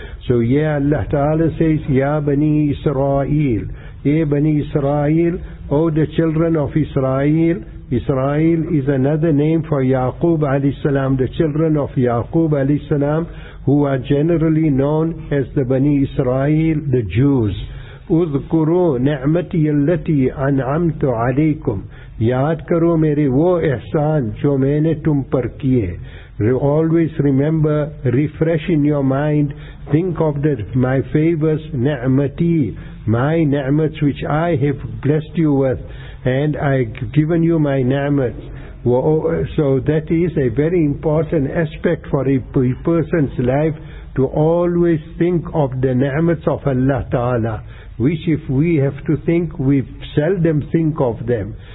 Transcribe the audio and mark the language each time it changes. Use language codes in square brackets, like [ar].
[en] So yeah, Allah Ta'ala says, [ar] Ya Bani Israel, Ya Bani Israel, [en] O the children of Israel. Israel is another name for Yaqub alayhi salam, the children of Yaqub alayhi salam, who are generally known as the Bani Israel, the Jews. [ar] اذكروا نعمتي التي انعمت عليكم, [ur] یاد کرو میرے وہ احسان جو میں نے تم پر کیے. [en] Always remember, refresh in your mind, think of that, my favors, نعمتي, my نعمتs which I have blessed you with, and I have given you my نعمتs. So that is a very important aspect for a person's life, to always think of the نعمتs of Allah Ta'ala, which if we have to think, we seldom think of them.